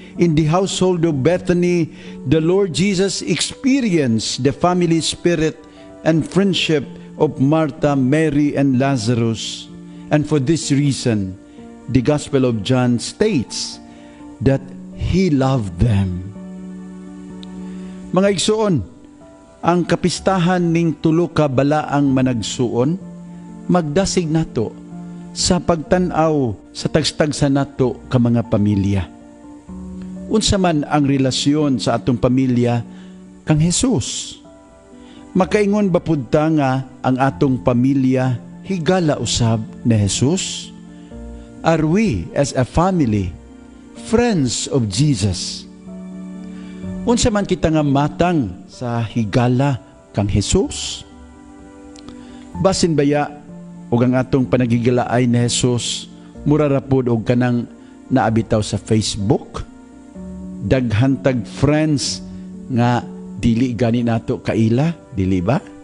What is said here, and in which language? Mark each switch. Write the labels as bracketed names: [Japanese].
[English] In the household of Bethany, the Lord Jesus experienced the family spirit and friendship of Martha, Mary, and Lazarus. And for this reason, the Gospel of John states that He loved them. [Cebuano] Mga igsuon, ang kapistahan ning tulo ka balaang managsuon, magdasig nato sa pagtanaw sa tagstagsa nato ka mga pamilya. Unsa man ang relasyon sa atong pamilya kang Jesus? Makaingon ba pud ta nga ang atong pamilya higala usab ni Jesus? [English] Are we as a family friends of Jesus? [Cebuano] Unsa man kita nga matang sa higala kang Jesus? Basin baya o ang atong panagigalaay ni Jesus mura ra pud og kanang naabitaw sa Facebook? Daghantag friends nga dili gani nato kaila, dili ba?